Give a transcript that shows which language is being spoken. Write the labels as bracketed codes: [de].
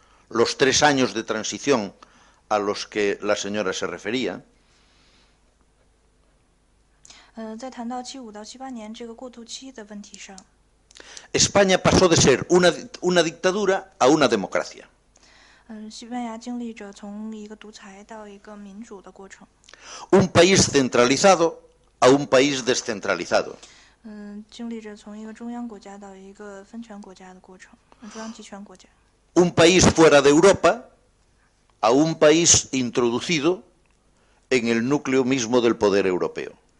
[es] los 3 años de transición a los que la señora se refería. [zh] 在谈到75到78年这个过渡期的问题上， [es] España pasó de ser una dictadura a una democracia. [zh] 西班牙经历着从一个独裁到一个民主的过程。 [es] Un país centralizado a un país descentralizado. [zh] 经历着从一个中央国家到一个分权国家的过程，中央集权国家。 [es] Un país fuera de Europa a un país introducido en el núcleo mismo del poder europeo.